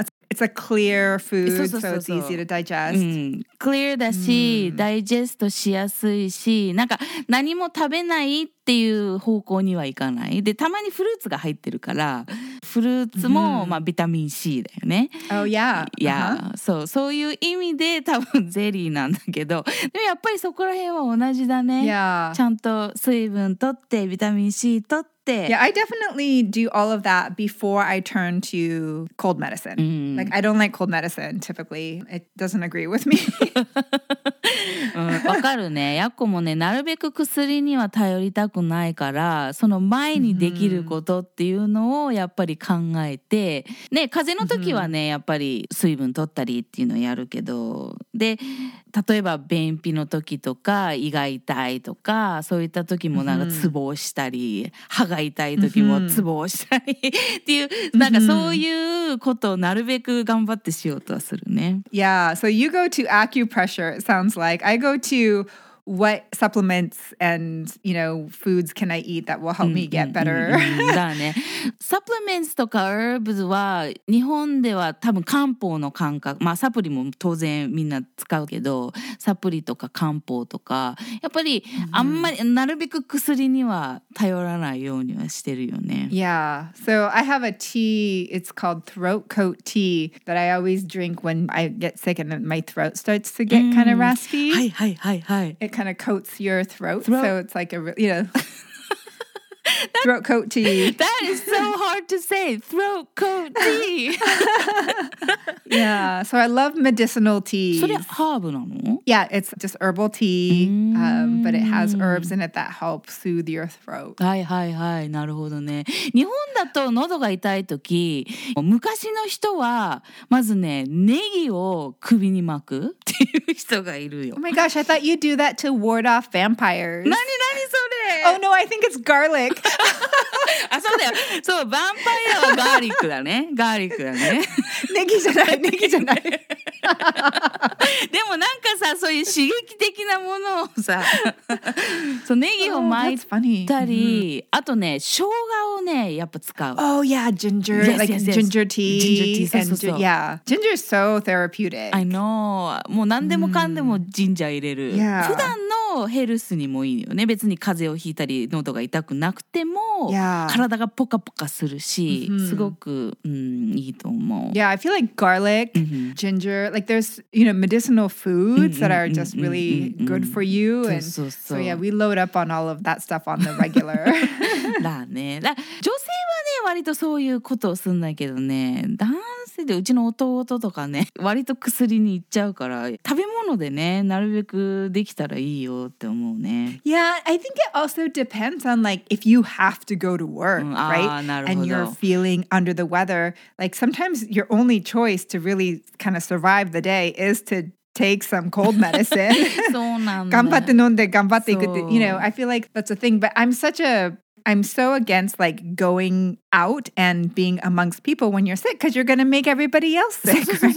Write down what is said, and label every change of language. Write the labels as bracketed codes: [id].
[en] It's a clear food, so it's easy to digest. [ja] Clear だし、ダイジェストしやすいし、なんか何も食べないっていう方向にはいかない。で、たまにフルーツが入ってるから、フルーツも、まあ、ビタミン C だよね。 [en] Oh, yeah. Yeah. [ja] そういう意味で多分ゼリーなんだけど、でもやっぱりそこら辺は同じだね。 [en] Yeah. [ja] ちゃんと水分とって、ビタミン C とって、 [en] Yeah, I definitely do all of that before I turn to cold medicine. Like, I don't like cold medicine, typically. It doesn't agree with me. [ja] わかるね。やっこもね、なるべく薬には頼りたくないから、その前にできることっていうのをやっぱり考えて、ね、風邪の時はね、やっぱり水分取ったりっていうのをやるけど、で、例えば便秘の時とか、胃が痛いとか、そういった時もなんかツボをしたり、歯が痛い時もツボをしたりっていう、なんかそういうことをなるべく頑張ってしようとはするね。 [en] Yeah, so you go to acupressure, it sounds like. I go to what supplements and, you know, foods can I eat that will help me get better. [ja] だね。 Supplements とか herbs は日本では多分漢方の感覚、まあサプリも当然みんな使うけど、サプリとか漢方とか、やっぱりあんまりなるべく薬には頼らないようにはしてるよね。 [en] Yeah. So I have a tea, it's called throat coat tea that I always drink when I get sick and my throat starts to get kind of raspy. [ja] はいはいはいはい。 [en] It kind of coats your throat. So it's like a, you know, throat coat tea. That is so hard to say. Throat coat tea. Yeah. So I love medicinal tea. [ja] それハーブなの? [en] Yeah, it's just herbal tea, but it has herbs in it that help soothe your throat. [ja] はいはいはい。なるほどね。日本だと喉が痛い時、昔の人はまずね、ネギを首に巻く。 [en] Oh my gosh, I thought you'd do that to ward off vampires. [ja] 何何それ? [en] Oh no, I think it's garlic. [ja] あ、そうだよ。そう、ヴァンパイアはガーリックだね。ガーリックだね。ネギじゃない、ネギじゃない。でもなんかさ、そういう刺激的なものをさ、そうネギを巻いたり、 [en] oh, mm-hmm. [ja] あとね、生姜をね、やっぱ使う。 [en] Oh yeah, ginger, yes, like yes, yes. ginger tea. Ginger tea, そう。 Yeah, ginger is so therapeutic. I know. [ja] もう何でもかんでもジンジャー入れる。 [en] Yeah. [ja] 普段のヘルスにもいいよね。別に風邪をひいたり喉が痛くなくても、体がポカポカするし、すごく、いいと思う。 [en] Yeah, I feel like garlic, ginger, like there's, you know, medicinal foods that are just really good for you. And so yeah, we load up on all of that stuff on the regular. [ja] だね。だ、女性はね、割とそういうことをするんだけどね。男性でうちの弟とかね、割と薬に行っちゃうから、食べ物でね、なるべくできたらいいよって思うね。 [en] Yeah, I think it also depends on like if you have to go to work, right? And you're feeling under the weather. Like sometimes your only choice to really kind of survive the day is to take some cold medicine. [ja] そうなんだ。頑張って飲んで頑張っていくって、 [en] you know, I feel like that's a thing, but I'm so against like going out and being amongst people when you're sick because you're going to make everybody else sick.